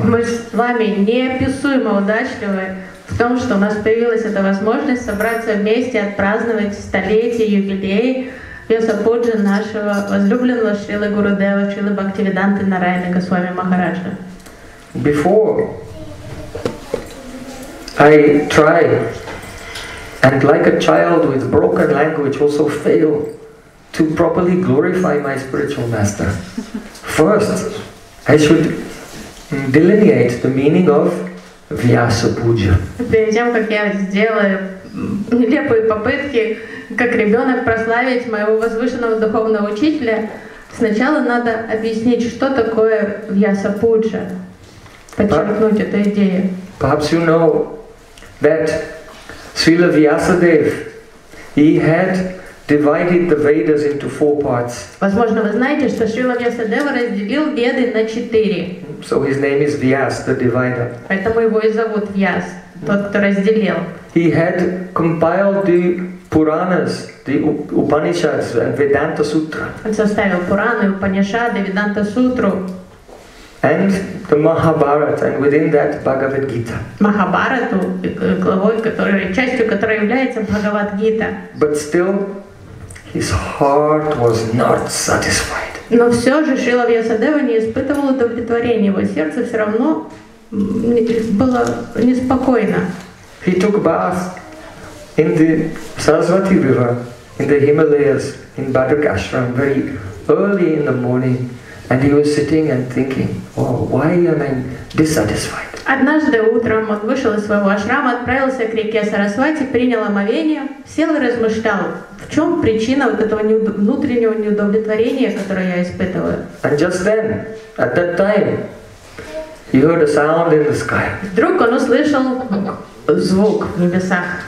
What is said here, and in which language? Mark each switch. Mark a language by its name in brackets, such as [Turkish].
[Russian] Мы с вами неописуемо удачливы в том, что у нас появилась эта возможность собраться вместе, отпраздновать столетие, юбилей Веса Пуджи нашего возлюбленного Шрилы Гурудева, Шрилы Бхакти Веданта Нараяна Госвами Махараджа. [English] Before I try and like a child with broken language also fail to properly glorify my spiritual master. First, I should delineate the meaning of Vyasa Puja. [Russian] Перед тем, как я сделаю нелепые попытки, как ребенок, прославить моего возвышенного духовного учителя, сначала надо объяснить, что такое Vyasa Puja, подчеркнуть эту идею. [English] Perhaps you know that Srila Vyasadev, he had divided the Vedas into four parts. [Russian] Возможно, вы знаете, что Шрила Вьясадева разделил Веды на четыре. [English] So his name is Vyas, the divider. [Russian] Поэтому его и зовут Вьяс, тот, кто разделил. [English] He had compiled the Puranas, the Upanishads and Vedanta Sutra. [Russian] Он составил Пураны, Упанишады, Веданта Сутру. [English] And the Mahabharata, and within that Bhagavad Gita. [Russian] Махабарату, главой, которой частью которой является Бхагавад Гита. [English] But still, his heart was not satisfied. [Russian] Но все же Шрила Вьясадева не испытывал удовлетворения. Его сердце все равно было неспокойно. [English] He took bath in the Saraswati River, in the Himalayas, in Badrika Ashram, very early in the morning. And he was sitting and thinking, oh, why am I dissatisfied? [Russian] Однажды утром он вышел из своего ашрама, отправился к реке Сарасвати, принял омовение, сел и размышлял, в чем причина вот этого внутреннего неудовлетворения, которое я испытываю. [English] And just then, at that time, he heard a sound in the sky. [Russian] Вдруг он услышал звук в небесах.